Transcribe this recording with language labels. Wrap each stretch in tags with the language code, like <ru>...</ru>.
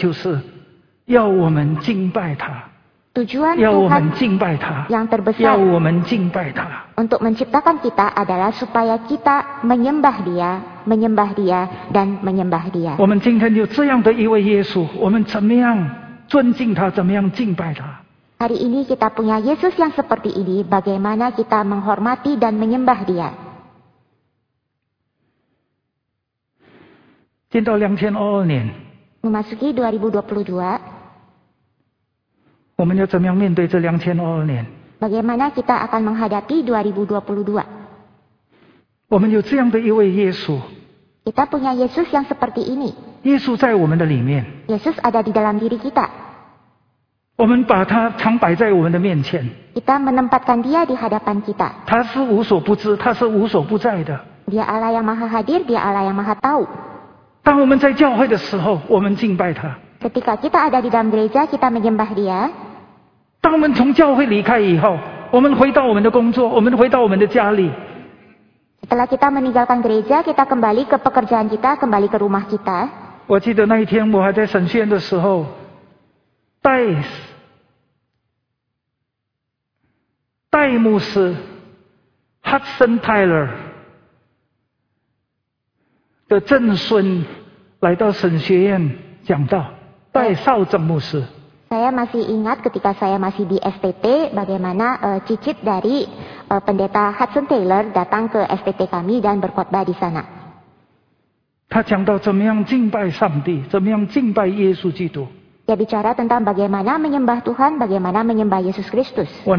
<zh>况且主呼召我们最重要的目的就是要我们敬拜他。</zh> <id>Tujuan Tuhan yang terbesar untuk menciptakan kita adalah supaya kita menyembah Dia, menyembah Dia, dan menyembah Dia.</id> <zh>我们今天有这样的一位耶稣, 我们怎么样尊敬他, 怎么样敬拜他?</zh> <id>Hari ini kita punya Yesus yang seperti ini, bagaimana kita menghormati dan menyembah Dia?</id> <zh>进到2022年,</zh> <id>memasuki 2022,</id> <zh>我们要怎么样面对这2022年?</zh> <id>Bagaimana kita akan menghadapi 2022?</id> <zh>我们有这样的一位耶稣,</zh> <id>kita punya Yesus yang seperti ini.</id> <zh>Yesus 在我们的里面,</zh> <id>Yesus ada di dalam diri kita.</id> <zh>我们把他常摆在我们的面前,</zh> <id>kita menempatkan Dia di hadapan kita.</id> <zh>他是无所不知, 他是无所不在的.</zh> <id>Dia Allah yang maha hadir, Dia Allah yang maha tahu.</id> <zh>当我们在教会的时候, 我们敬拜他。</zh> <id>Ketika kita ada di dalam gereja, kita menyembah Dia.</id> <zh>当我们从教会离开以后, 我们回到我们的工作, 我们回到我们的家里。</zh> <id>Setelah kita meninggalkan gereja, kita kembali ke pekerjaan kita, kembali ke rumah kita.</id> <zh>我记得那一天我还在神学院的时候, 戴牧师, Hudson Tyler 的正孙来到神学院讲道。戴少正牧师,</zh> <id>saya masih ingat ketika saya masih di STT, bagaimana cicit dari pendeta Hudson Taylor datang ke STT kami dan berkhotbah di sana.</id> <zh>他讲到怎么样敬拜上帝, 怎么样敬拜耶稣基督。</zh> <id>Dia bicara tentang bagaimana menyembah Tuhan, bagaimana menyembah Yesus Kristus.</id>